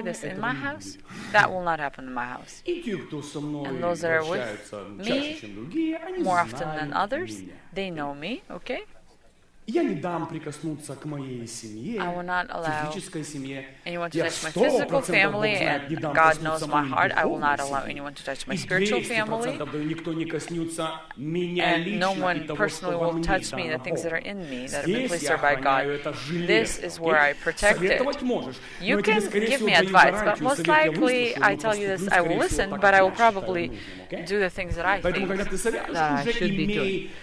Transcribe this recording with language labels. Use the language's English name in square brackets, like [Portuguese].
[English] say this. In my house, that will not happen in my house. [Russian] И те, кто со мной общаются чаще, чем другие, они знают меня. [English] More often than others, they know me, okay? [Russian] Я не дам прикоснуться к моей семье, [English] I will not allow [Russian] физической семье. [English] Anyone to touch my physical family, and God knows my heart, I will not allow anyone to touch my spiritual family. [Russian] Никто не коснется меня лично, [English] no one personally will touch me, the things that are in me, that have been placed there by God. This is where I protect it. You can give me advice, but most likely, I tell you this, I will listen, but I will probably do the things that I think that I should be doing.